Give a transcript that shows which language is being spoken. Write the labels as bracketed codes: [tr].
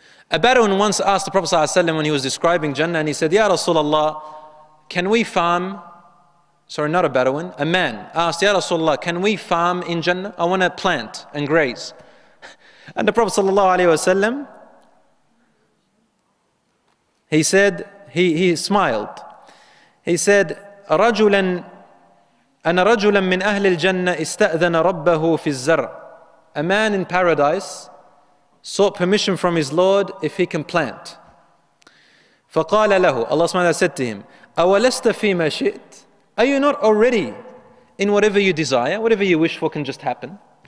[en] A Bedouin once asked the Prophet ﷺ when he was describing Jannah, and he said, Ya Rasulullah, can we farm? Sorry, not a Bedouin, a man asked, Ya Rasulullah, can we farm in Jannah? I want to plant and graze. And the Prophet sallallahu alaihi wasallam, he said, he smiled. [ar] He said, رَجُلًا أَنَ رَجُلًا مِّنْ أَهْلِ الْجَنَّةِ إِسْتَأْذَنَ رَبَّهُ فِي الزَّرْعِ. [en] A man in paradise sought permission from his Lord if he can plant. [ar] فَقَالَ لَهُ, [en] Allah subhanahu wa ta'ala said to him, [ar] أَوَلَسْتَ فِي مَا شِئْتْ. [en] Are you not already in whatever you desire? Whatever you wish for can just happen.